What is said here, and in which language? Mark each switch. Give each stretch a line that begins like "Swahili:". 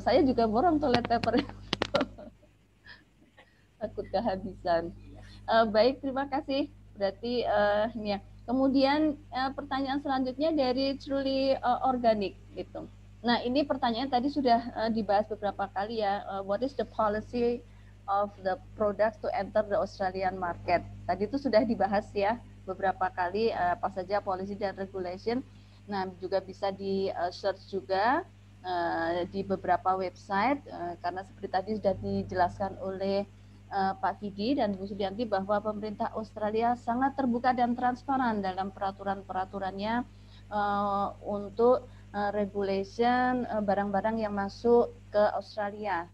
Indonesian: Saya juga borong toilet paper. Takut kehabisan. Baik, terima kasih. Berarti ini ya. Kemudian pertanyaan selanjutnya dari Truly Organic gitu. Nah, ini pertanyaan tadi sudah dibahas beberapa kali ya.
English: What is the policy of the products to enter the Australian market?
Indonesian: Tadi itu sudah dibahas ya beberapa kali apa saja policy dan regulation. Nah, juga bisa di search juga di beberapa website karena seperti tadi sudah dijelaskan oleh Pak Vigi dan Bu Sudianti bahwa pemerintah Australia sangat terbuka dan transparan dalam peraturan-peraturannya untuk regulation barang-barang yang masuk ke Australia.